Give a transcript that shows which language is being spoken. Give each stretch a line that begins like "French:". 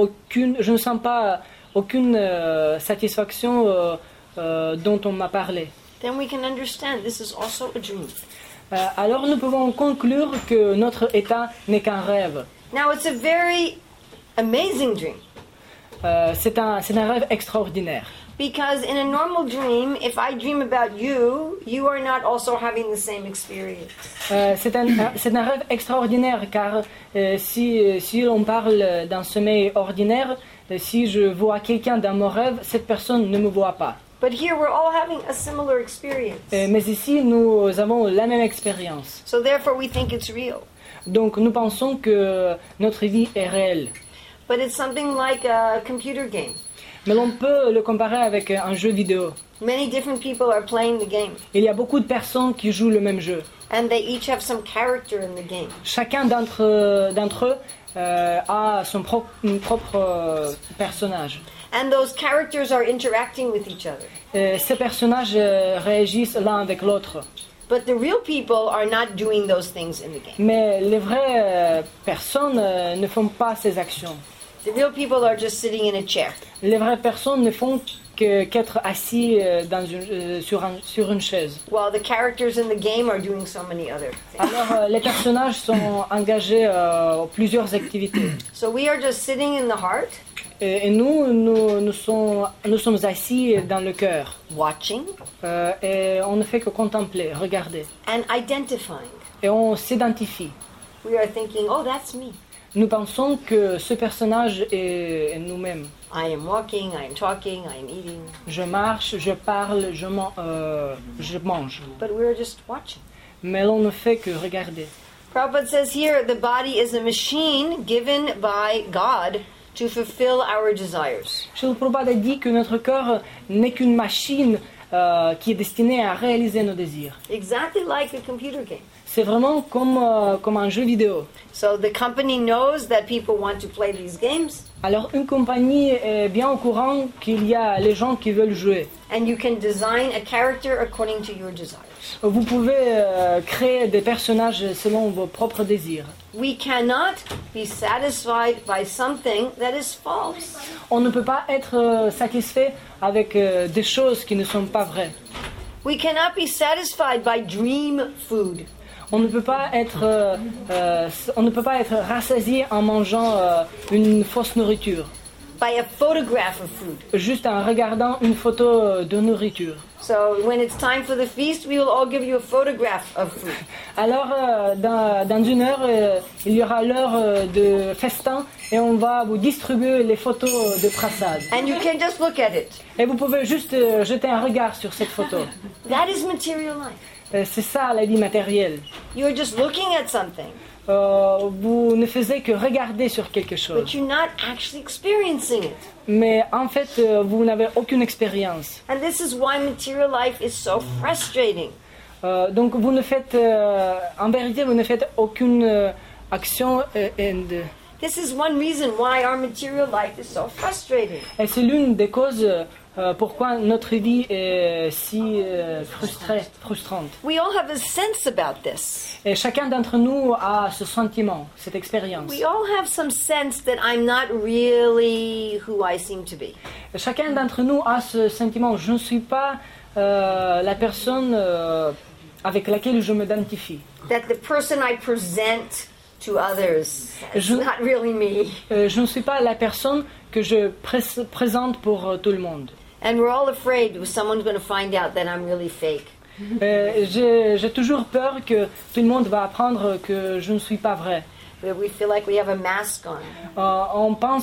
French: Je ne sens pas aucune satisfaction dont on m'a parlé.
English: Then we can understand this is also a dream.
French: Alors nous pouvons conclure que notre état n'est qu'un rêve.
English: Now it's a very amazing dream.
French: C'est un rêve extraordinaire.
English: Because in a normal dream, if I dream about you, you are not also having the same experience.
French: C'est un rêve extraordinaire car si l'on parle d'un sommeil ordinaire, si je vois quelqu'un dans mon rêve, cette personne ne me voit pas.
English: But here we're all having a similar experience.
French: Mais ici nous avons la même expérience.
English: So therefore we think it's real.
French: Donc nous pensons que notre vie est réelle.
English: But it's something like a computer game.
French: Mais l'on peut le comparer avec un jeu vidéo.
English: Many different people are playing the game.
French: Il y a beaucoup de personnes qui jouent le même jeu.
English: And they each have some character in the game.
French: Chacun d'entre eux a son propre personnage.
English: And those characters are interacting with each other.
French: Ces personnages réagissent l'un avec l'autre.
English: But the real people are not doing those things in the game.
French: Mais les vraies personnes ne font pas ces actions.
English: The real people are just sitting in a chair.
French: Les vraies personnes ne font qu'être assis sur une chaise.
English: While the characters in the game are doing so many other things.
French: Alors les personnages sont engagés aux plusieurs activités.
English: So we are just sitting in the heart.
French: Et nous sommes assis dans le cœur.
English: Watching.
French: Et on ne fait que contempler, regarder.
English: And identifying.
French: Et on s'identifie.
English: We are thinking, oh, that's me.
French: Nous pensons que ce personnage est nous-mêmes.
English: I am walking, I am talking, I am eating.
French: Je marche, je parle, je mange.
English: But we are just watching.
French: Mais l'on ne fait que regarder.
English: Prabhupada says here, the body is a machine given by God to fulfill our desires.
French: Srila Prabhupada dit que notre corps n'est qu'une machine qui est destinée à réaliser nos désirs.
English: Exactly like a computer game.
French: C'est vraiment comme comme un jeu vidéo.
English: So the company knows that people want to play these games.
French: Alors une compagnie est bien au courant qu'il y a les gens qui veulent jouer.
English: And you can design a character according to your desires.
French: Vous pouvez créer des personnages selon vos propres désirs.
English: We cannot be satisfied by something that is false.
French: On ne peut pas être satisfait avec des choses qui ne sont pas vraies.
English: We cannot be satisfied by dream food.
French: On ne peut pas être rassasié en mangeant une fausse nourriture.
English: By a photograph of food.
French: Juste en regardant une photo de nourriture.
English: So when it's time for the feast, we will all give you a photograph of food.
French: Alors dans une heure, il y aura l'heure de festin et on va vous distribuer les photos de prasad.
English: And you can just look at it.
French: Et vous pouvez juste jeter un regard sur cette photo.
English: That is material life.
French: C'est ça la vie matérielle.
English: You are just looking at something.
French: Vous ne faisiez que regarder sur quelque chose.
English: But you're not actually experiencing it.
French: Mais en fait, vous n'avez aucune expérience.
English: And this is why material life is so frustrating.
French: Donc vous ne faites, en vérité, vous ne faites aucune action.
English: This is one reason why our material life is so frustrating.
French: Et c'est l'une des causes pourquoi notre vie est si frustrante.
English: We all have a sense about this.
French: Et chacun d'entre nous a ce sentiment, cette expérience.
English: We all have some sense that I'm not really who I seem to be.
French: Et chacun d'entre nous a ce sentiment, je ne suis pas la personne avec laquelle je m'identifie.
English: That the person I present to others is not really me.
French: Je ne suis pas la personne que je présente pour tout le monde.
English: And we're all afraid someone's going to find out that I'm really fake.
French: J'ai toujours peur que tout le monde va apprendre que je ne suis pas vrai.
English: But we feel like we have a mask on.